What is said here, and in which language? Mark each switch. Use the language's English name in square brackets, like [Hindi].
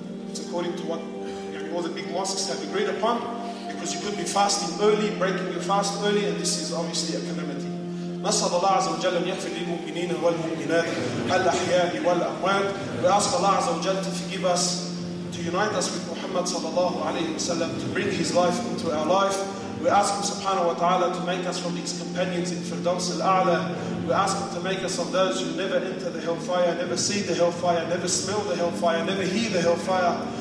[English] It's according to what all the big mosques have agreed upon, because you could be fasting early, breaking your fast early, and this is obviously a calamity. [Arabic] نسأل الله عز وجل أن يغفر للمؤمنين والمؤمنات الأحياء والأموات. [English] We ask Allah [Arabic] عز وجل [English] to forgive us, to unite us with Muhammad sallallahu alayhi wa sallam, to bring his life into our life. We ask him subhanahu wa ta'ala to make us from his companions in Firdaus al-A'la. We ask him to make us of those who never enter the hellfire, never see the hellfire, never smell the hellfire, never hear the hellfire.